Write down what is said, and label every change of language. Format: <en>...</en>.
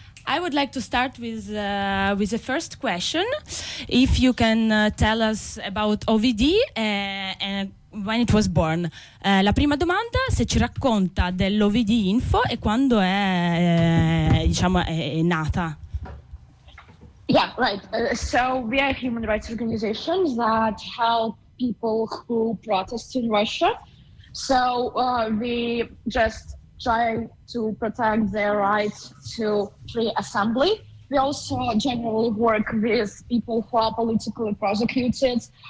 <en>I would like to start with the first question. If you can tell us about OVD and when it was born.</en> <it>La prima domanda, se ci racconta dell'OVD Info e quando è, diciamo, è nata.</it> <en>Yeah, right. So we are human rights organizations that help people who protest in Russia. So we just try to protect their rights to free assembly. We also generally work with people who are politically prosecuted.</en>